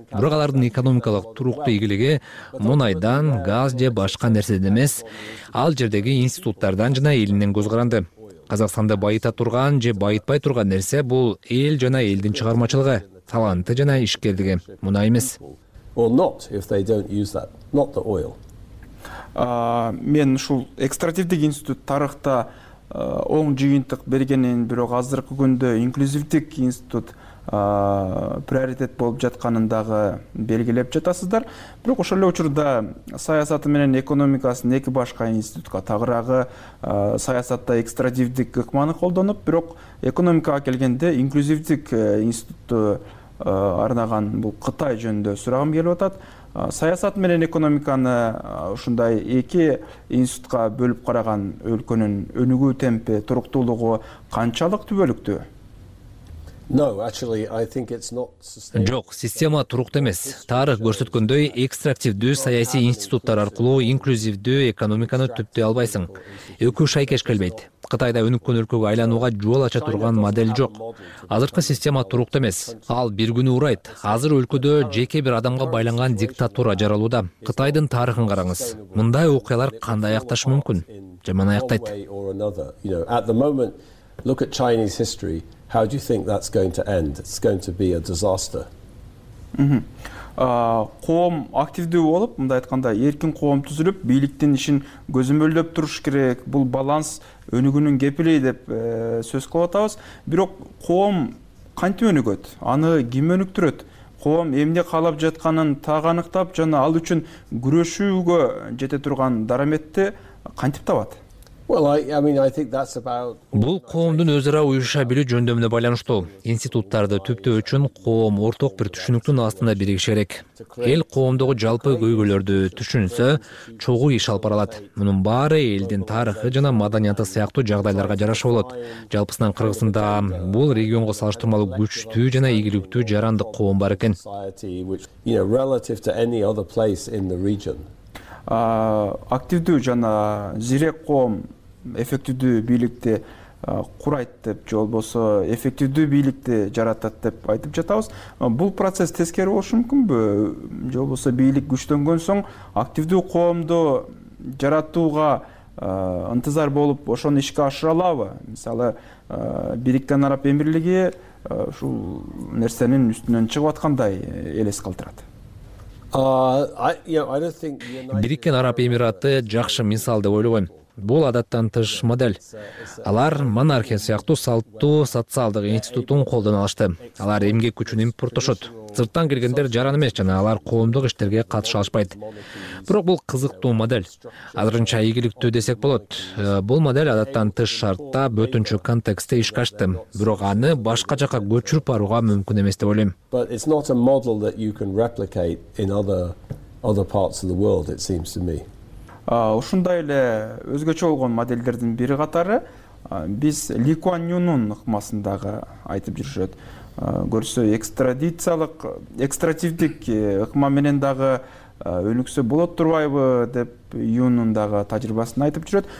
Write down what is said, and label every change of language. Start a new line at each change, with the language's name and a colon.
Kyrgyz: Бирок алардын экономикалык туруктуу ийгилиги мунайдан, газ же башка нерседен эмес, ал жердеги институттардан жана элинен көз каранды. Казакстанды байыта турган же байытпай турган нерсе бул эл жана элдин чыгармачылыгы, таланты жана ишкердиги, мунай эмес.
English: or not if they don't use that, not the oil.
Kyrgyz: Мен ушул экстрактивдик институт тарыхта оң жыйынтык бергенин, бирок азыркы күндө инклюзивдик институт приоритет болуп жатканын дагы белгилеп жатасыздар. Бирок ошол эле учурда саясаты менен экономикасын эки башка институтка тагыраагы саясатта экстрактивдик ыкманы колдонуп, бирок экономикага келгенде инклюзивдик институтту арнаган бул Кытай жөнүндө сурагым келип атат. Саясат менен экономиканы ушундай эки институтка бөлүп караган өлкөнүн өнүгүү темпи, туруктуулугу канчалык түбөлүктүү?
English: No, actually, I think it's not sustainable.
Kyrgyz: Жок, система туруктуу эмес. Тарых көрсөткөндөй, экстрактивдүү саясий институттар аркылуу инклюзивдүү экономиканы түптөй албайсың. Эки шай кеш келбейт. Кытайда өнүккөн өлкөгө айланууга жол ача турган модель жок. Азыркы система туруктуу эмес. Ал бир күнү урайт. Азыр өлкөдө жеке бир адамга байланган диктатура жаралууда. Кытайдын тарыхын караңыз. Мындай окуялар кандай аякташы мүмкүн? Жаман аяктайт.
English: At the moment, look at Chinese history. How do you think that's going to end? It's going to be a disaster.
Kyrgyz: Коом активдүү болуп, мындай айтканда эркин коом түзүлүп, бийликтин ишин көзөмөлдөп туруш керек. Бул баланс өнүгүнүн кепили деп сөз кылып атабыз. Бирок коом кантип өнүгөт? Аны ким өнүктүрөт? Коом эмне каалап жатканын таагы аныктап, жана ал үчүн күрөшүүгө жете турган дараметти кантип табат?
English: Well, I think that's about
Kyrgyz: Бул коомдун өз ара уюша билүү жөндөмүнө байланыштуу. Институттарды түптөө үчүн коом орток бир түшүнүктүн астында биригиши керек. Эл коомдогу жалпы көйгөйлөрдү түшүнсө, чогуу иш алып бара алат. Мунун баары элдин тарыхы жана маданияты сыяктуу жагдайларга жараша болот. Жалпысынан Кыргызстанда бул регионго салыштырмалуу күчтүү жана ийгиликтүү жарандык коом бар экен.
English: Relative to any other place in the region.
Kyrgyz: Активдүү жана зирек коом эффективдүү бийликти курайт деп, же болбосо эффективдүү бийликти жаратат деп айтып жатабыз. Бул процесс тескери болушу мүмкүнбү? Же болбосо бийлик күчтөнгөн соң активдүү коомду жаратууга ынтызар болуп ошону ишке ашыра алабы? Мисалы Бириккен Араб Эмирлиги ушул нерсенин үстүнөн чыгып аткандай элес калтырат. Бириккен Араб Эмираты жакшы мисал деп ойлобойм. Бул адаттан тыш модель. Алар монархия сыяктуу салттуу социалдык институтун колдоно алышты. Алар эмгек күчүн импорттошот. Сырттан келгендер жаран эмес жана алар коомдук иштерге катыша алышпайт. Бирок бул кызыктуу модель. Азырынча ийгиликтүү десек болот. Бул модель адаттан тыш шартта бөтүнчү контекстте ишке ашты. Бирок аны башка жака көчүрүп барууга мүмкүн эмес деп ойлойм.
English: But it's not a model that you can replicate in other parts of the world, it seems to me.
Kyrgyz: Ушундай эле өзгөчө болгон моделдердин бири катары биз Ли Куан Юнун ыкмасындагы айтып жүрүшөт. Көрсө экстрадициялык экстративдик ыкма менен дагы өнүксө болот турбайбы деп Юнун дагы тажрыйбасын айтып жүрөт.